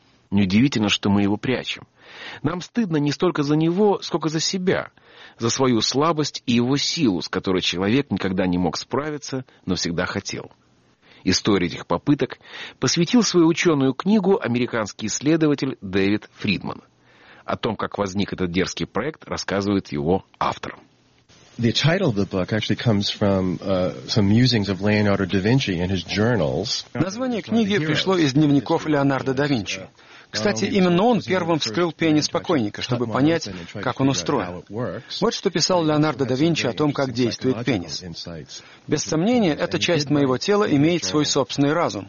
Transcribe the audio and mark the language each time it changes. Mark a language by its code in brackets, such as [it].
[ru] Неудивительно, что мы его прячем. Нам стыдно не столько за него, сколько за себя, за свою слабость и его силу, с которой человек никогда не мог справиться, но всегда хотел. Историю этих попыток посвятил свою ученую книгу американский исследователь Дэвид Фридман. О том, как возник этот дерзкий проект, рассказывает его автор. [en] The title of the book actually comes from some musings of Leonardo da Vinci in his journals. [ru] Название книги пришло из дневников Леонардо да Винчи. Кстати, именно он первым вскрыл пенис покойника, чтобы понять, как он устроен. Вот что писал Леонардо да Винчи о том, как действует пенис. «Без сомнения, эта часть моего тела имеет свой собственный разум.